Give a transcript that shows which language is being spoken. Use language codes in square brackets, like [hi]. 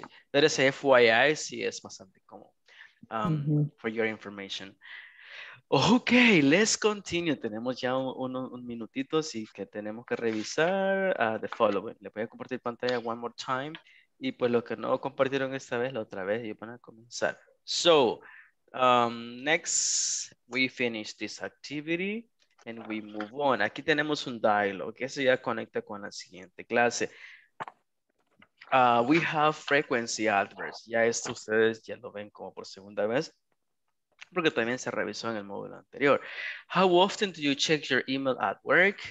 [es] Pero ese FYI sí es bastante común. [en] For your information. [es] Ok, [en] let's continue. [es] Tenemos ya un minutito, así que tenemos que revisar [en] the following. [es] Le voy a compartir pantalla [en] one more time. [es] Y pues lo que no compartieron esta vez, la otra vez, y van a comenzar. [en] So, next, we finish this activity and we move on. [es] Aquí tenemos un dialogue. Eso ya conecta con la siguiente clase. [en] We have frequency adverbs. [es] Ya esto ustedes ya lo ven como por segunda vez, porque también se revisó en el módulo anterior. [en] How often do you check your email at work?